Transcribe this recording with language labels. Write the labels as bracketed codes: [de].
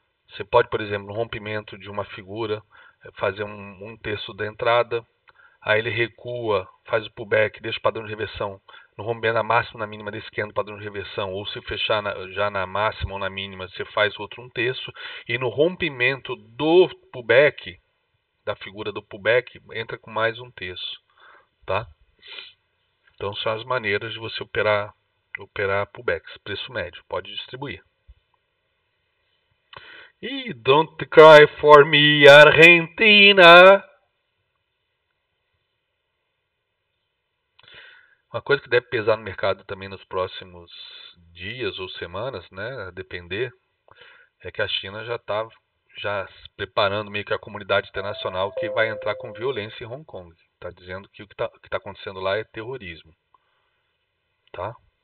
[pt] Você pode, por exemplo, no rompimento de uma figura, fazer um terço da entrada, aí ele recua, faz o pullback, deixa o padrão de reversão no rompimento na máxima ou na mínima desse candle, padrão de reversão, ou se fechar já na máxima ou na mínima, você faz outro um terço. E no rompimento do pullback, da figura do pullback, entra com mais um terço. Tá? Então são as maneiras de você operar pullbacks, preço médio, pode distribuir. [en] E don't cry for me, Argentina. [pt] Uma coisa que deve pesar no mercado também nos próximos dias ou semanas, né, a depender, é que a China já se preparando meio que a comunidade internacional que vai entrar com violência em Hong Kong. Está dizendo que o que tá acontecendo lá é terrorismo. Tá?